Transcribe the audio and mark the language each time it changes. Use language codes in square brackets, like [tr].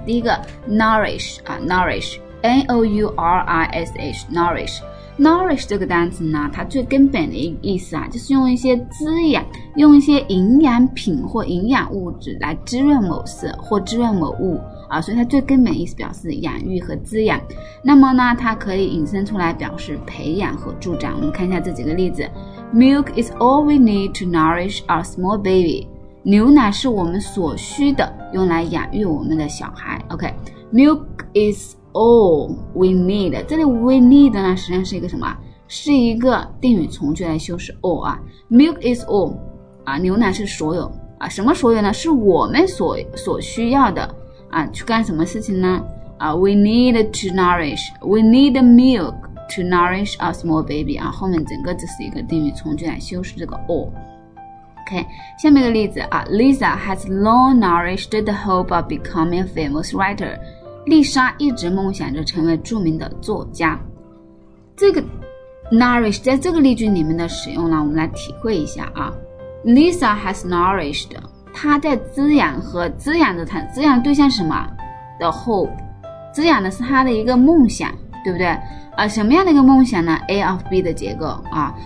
[zh] 第一个 nourish 啊 ，nourish。N-O-U-R-I-S-H Nourish 这个单词呢，它最根本的意思啊，就是用一些滋养，用一些营养品或营养物质来滋润某色或滋润某物啊，所以它最根本意思表示养育和滋养。那么呢，它可以引申出来表示培养和助长。我们看一下这几个例子。 [en] Milk is all we need to nourish our small baby. [zh] 牛奶是我们所需的，用来养育我们的小孩。 OK, [en] Milk isall we need, [zh] 这里 [en] we need [zh] 呢实际上是一个什么，是一个定语从句来修饰 all 啊。 [en] Milk is all, [zh] 啊牛奶是所有啊，什么所有呢，是我们所需要的啊，去干什么事情呢啊 [en] we need milk to nourish our small baby, [zh] 啊后面整个这是一个定语从句来修饰这个 all。 [en] OK, [zh] 下面一个例子啊 [en] ,Lisa has long nourished the hope of becoming a famous writer. [zh] 丽莎一直梦想着成为著名的作家。这个 nourish 在这个例句里面的使用呢，我们来体会一下啊。 [en] Lisa has nourished, [zh] 她在滋养和滋养着她，滋养对象什么的 hope, 滋养的是她的一个梦想，对不对啊，什么样的一个梦想呢 ?A of B 的结构啊。